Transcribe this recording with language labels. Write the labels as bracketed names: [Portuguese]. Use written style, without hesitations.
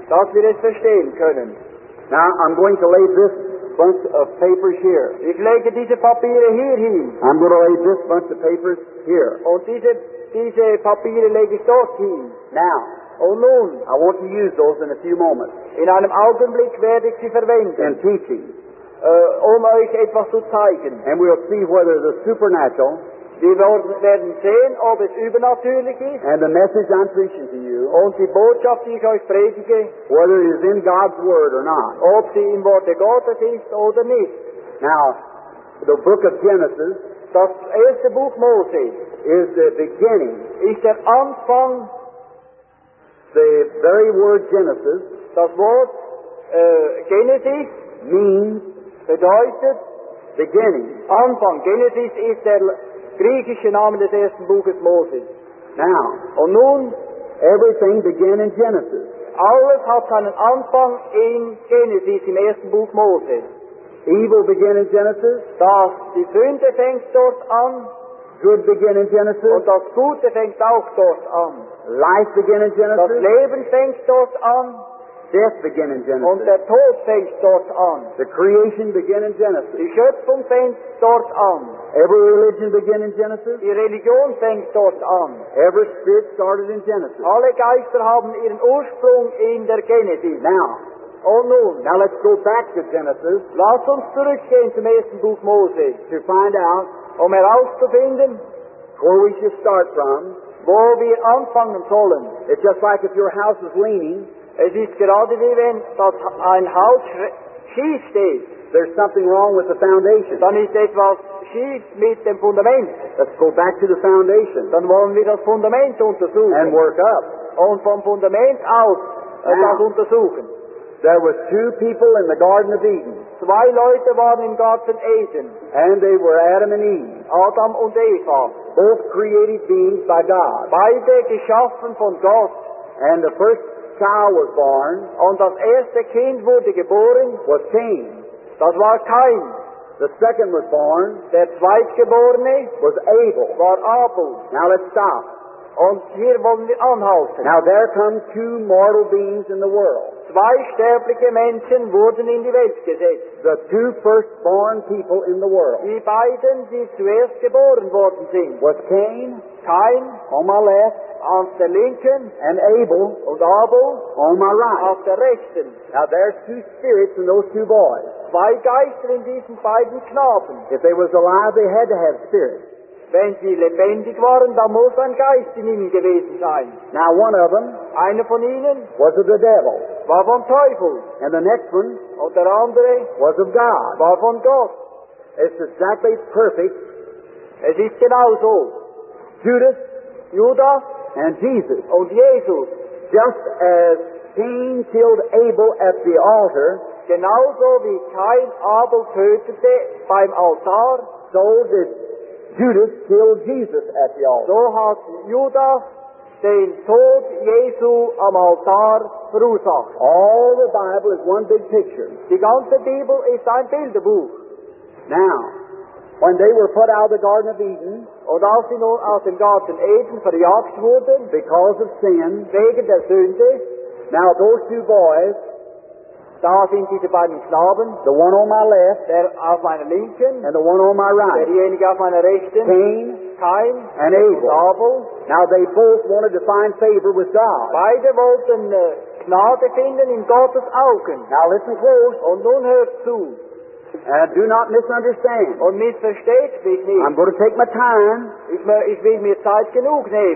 [German] Dass wir es verstehen können. [English] Now, I'm going to lay this bunch of papers here. [German] Ich lege diese Papiere hier hin. [English] I'm going to lay this bunch of papers here. [German] Und diese Papiere lege ich dort hin. [English] Now. [German] Und nun. [English] I want to use those in a few moments. [German] In einem Augenblick werde ich sie verwenden. [English] In teaching. [German] Euch etwas zu zeigen. [English] And we'll see whether the supernatural. [German] Wir werden sehen, ob es übernatürlich ist. [English] And the message I'm preaching to you. [German] Und die Botschaft, die ich euch predige. [English] Whether it is in God's Word or not. [German] Ob sie im Worte Gottes ist oder nicht. [English] Now, the book of Genesis. [German] Das erste Buch Mose. [English] Is the beginning. [German] Ist der Anfang. [English] The very word Genesis. [German] Das Wort Genesis. [English] Means. [German] Bedeutet. [English] Beginning. [German] Anfang. Genesis ist der griechische Name des ersten Buches Moses. [English] Now, [German] und nun, [English] everything began in Genesis. [German] Alles hat seinen Anfang in Genesis, im ersten Buch Moses. [English] Evil began in Genesis. [German] Das, die Sünde fängt dort an. [English] Good began in Genesis. [German] Und das Gute fängt auch dort an. [English] Life began in Genesis. [German] Das Leben fängt dort an. [English] Death began in Genesis. [German] Und der Tod fängt dort an. [English] The creation began in Genesis. [German] Die Schöpfung fängt dort an. [English] Every religion began in Genesis. [German] Die Religion fängt dort an. [English] Every spirit started in Genesis. [German] Alle Geister haben ihren Ursprung in der Genesis. [English] Now. [German] Oh, nun. [English] Now let's go back to Genesis. [German] Lass uns zurückgehen zum ersten Buch Moses. [English] To find out. [German] Um herauszufinden. [English] Where we should start from. [German] Wo wir anfangen sollen. [English] It's just like if your house is leaning. [German] Es ist gerade wie wenn das ein Haus schief steht. [English] There's something wrong with the foundation. [German] Dann ist etwas schief mit dem Fundament. [English] Let's go back to the foundation. [German] Dann wollen wir das Fundament untersuchen. [English] And work up. [German] Und vom Fundament aus [English] now, [German] das untersuchen. [English] There were two people in the Garden of Eden. [German] Zwei Leute waren im Garten Eden. [English] And they were Adam and Eve. [German] Adam und Eva. [English] Both created beings by God. [German] Beide geschaffen von Gott. [English] And the first child was born. [German] Und das erste Kind wurde geboren. [English] Was Cain. [German] Das war Cain. [English] The second was born. [German] Der zweitgeborene. [English] Was Abel. [German] War Abel. [English] Now let's stop. [German] Und hier wollen wir anhalten. [English] Now there come two mortal beings in the world. [German] Zwei sterbliche Menschen wurden in die Welt gesetzt. [English] The two firstborn people in the world. [German] Die beiden, die zuerst geboren worden sind. [English] Was Cain. [German] Cain. [English] On my left. On the Lincoln and Abel and Abel on my right of the Rechten. Now there's two spirits in those two boys. [German] Zwei Geister in diesen beiden Knaben. [English] If they was alive, they had to have spirits. [German] Wenn sie lebendig waren, dann muss ein Geist in ihnen gewesen sein. [English] Now one of them, [German] einer von ihnen, [English] was of the devil, [German] war vom Teufel. [English] And the next one, [German] und der andere, [English] was of God, [German] war von Gott. [English] It's exactly perfect. [German] Es ist genau so. [English] Judas, [German] Judas. [English] And Jesus. [German] Und Jesus. [English] Just as Cain killed Abel at the altar. [German] Genauso wie Cain Abel tötete beim Altar. [English] So did Judas kill Jesus at the altar. [German] So hat Judas den Tod Jesu am Altar verursacht. [English] All the Bible is one big picture. [German] Die ganze Bibel ist ein Bilderbuch. [English] Now, when they were put out of the Garden of Eden, [German] und als sie nun aus dem Garten Eden verjagt wurden, [English] because of sin, [German] wegen der Sünde, [English] now those two boys, [German] da sind diese beiden Knaben, [English] the one on my left, [German] der auf meiner Linken, [English] and the one on my right, [German] derjenige auf meiner Rechten, [English] Cain, and Abel. Now they both wanted to find favor with God. [German] Beide wollten Gnade finden in Gottes Augen. [English] Now listen close, [German] und nun hört zu. [English] And do not misunderstand. [German] Und missversteht mich nicht. [English] I'm going to take my time. [German] Ich will mir Zeit genug nehmen.